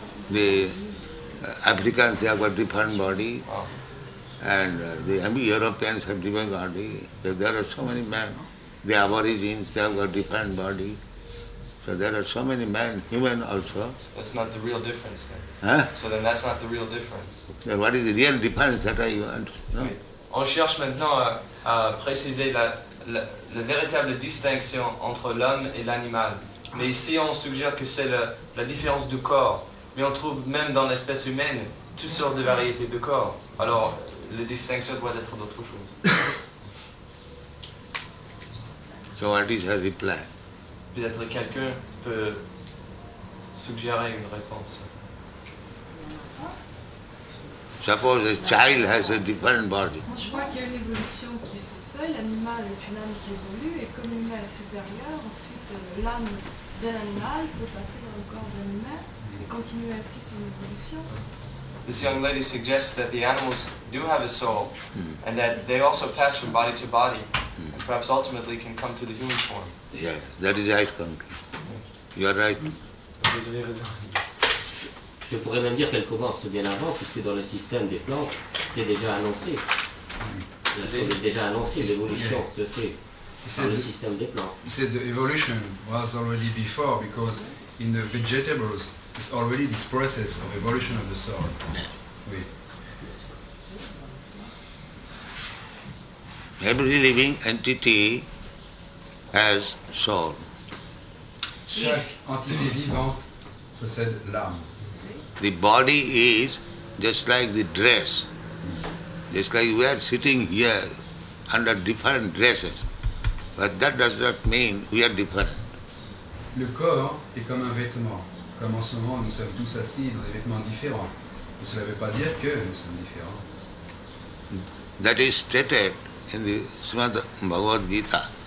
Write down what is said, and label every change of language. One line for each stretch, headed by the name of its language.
English: The Africans, they have got different body, and the Europeans have different body. There are so many men. The Aborigines, they have got different body. So there are so many men, human also. That's not the real difference then. Huh? So then that's not the real difference. Then what is the real difference that I want? No?
French: On cherche maintenant à préciser la véritable distinction entre l'homme et l'animal. Mais ici, on suggère que c'est la différence du corps. Mais on trouve même dans l'espèce humaine toutes sortes de variétés de corps. Alors, les distinctions doivent être d'autres choses.
English: So what is her reply?
French: Peut-être quelqu'un peut suggérer une réponse.
English: Suppose a child has a different body.
French: Moi, je crois qu'il y a une évolution qui se fait. L'animal est une âme qui évolue. Et comme l'humain est supérieur, ensuite l'âme de l'animal peut passer dans le corps d'un humain.
English: This young lady suggests that the animals do have a soul and that they also pass from body to body and perhaps ultimately can come to the human form. Yes, that is right, Kong. You are right.
French: Je pourrais même dire qu'elle commence bien avant, puisque dans le système des plantes, c'est déjà annoncé. La chose est déjà annoncée, l'évolution se fait dans le système des plantes.
English: You said the evolution was already before, because in the vegetables, it's already this process of evolution of the soul.
French: Oui.
English: Every living entity has soul.
French: Chaque entité vivante possède l'âme.
English: The body is just like the dress. Just like we are sitting here under different dresses. But that does not mean we are different.
French: Le corps est comme un vêtement. Comme en ce moment, nous sommes tous assis dans des vêtements différents. Mais cela ne veut pas dire que nous sommes différents.
English: That is stated in the Srimad Bhagavad Gita.